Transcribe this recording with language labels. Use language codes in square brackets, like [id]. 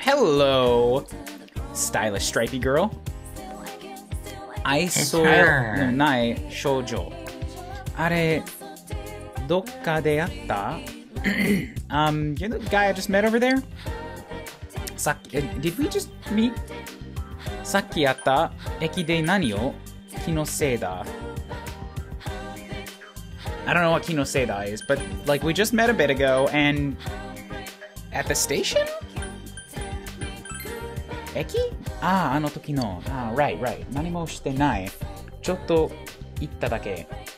[en] Hello, stylish stripey girl. [ja] Aisoない 少女.あれ、どっかで会った? [en] You know the guy I just met over there? [ja] さっき、 [en] did we just meet? [ja] さっき会った駅で何を? 気のせいだ。 [en] I don't know what [ja] 気のせいだ [en] is, but like we just met a bit ago and... At the station? [ja] 駅? Ah, あの時の。 [en] Ah, right, right. [ja] 何もしてない。ちょっと行っただけ。